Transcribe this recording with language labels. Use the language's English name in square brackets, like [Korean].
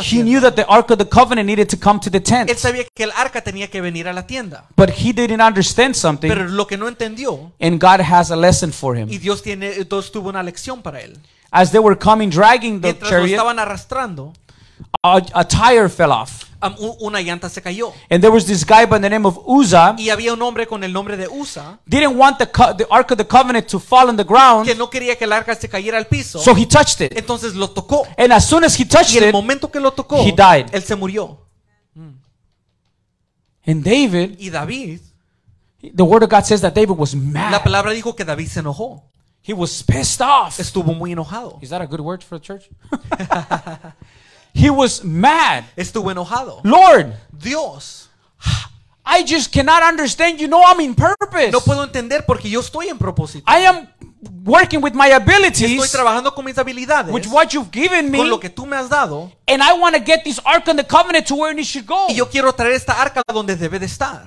[English] haciendo. He knew that the Ark of the Covenant needed to come to the tent. [Spanish] Él sabía que el arca tenía que venir a la tienda. [English] But he didn't understand something. [Spanish] Pero lo que no entendió. [English] And God has a lesson for him. [Spanish] Y Dios tuvo una lección para él. [English] As they were coming, dragging the chariot, [Spanish] estaban arrastrando, [English] a tire fell off. [Spanish] una llanta se cayó. [English] And there was this guy by the name of Uzzah. [Spanish] Y había un hombre con el nombre de Uzzah. [English] Didn't want the Ark of the Covenant to fall on the ground. [Spanish] Que no quería que el arca se cayera al piso. [English] So he touched it. [Spanish] Entonces lo tocó. [English] And as soon as he touched it, [Spanish] y el momento que lo tocó, [English] he died. [Spanish] Él se murió. [English] And David, [Spanish] y David, [English] the word of God says that David was mad. [Spanish] La palabra dijo que David se enojó. [English] He was pissed off. [Spanish] Estuvo muy enojado. [English] Is that a good word for a church? He was mad. [Spanish] Estuvo enojado. [English] Lord, [Spanish] Dios, [English] I just cannot understand. You know I'm in purpose. [Spanish] No puedo entender porque yo estoy en propósito. [English] I am working with my abilities. [Spanish] Estoy trabajando con mis habilidades. [English] With what you've given me. [Spanish] Con lo que tú me has dado. [English] And I want to get this ark and the covenant to where it should go. [Spanish] Y yo quiero traer esta arca donde debe de estar.